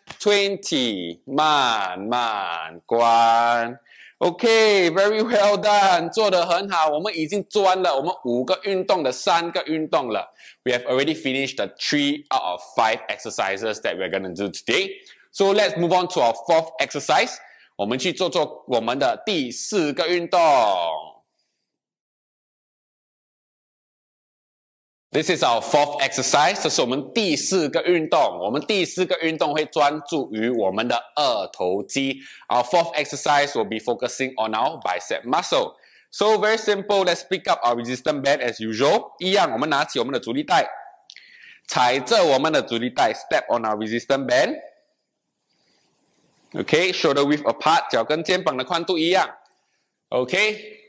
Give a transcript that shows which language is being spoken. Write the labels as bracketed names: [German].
[Chinese] 20, 慢慢关。 [English] Okay, very well done. 做得很好。我们已经做完了我们五个运动的三个运动了。 We have already finished the 3 out of 5 exercises that we're going to do today. So let's move on to our 4th exercise. [Chinese] 我们去做做我们的第四个运动。 [English] This is our 4th exercise. 这是我们第四个运动。 [Chinese] 我们第四个运动会专注于我们的二头肌。 [English] Our 4th exercise will be focusing on our bicep muscle. So very simple, let's pick up our resistance band as usual. [Chinese] 一样，我们拿起我们的阻力带，踩着我们的阻力带 , step on our resistance band. [English] Okay, shoulder width apart, 脚跟肩膀的宽度一样。 Okay.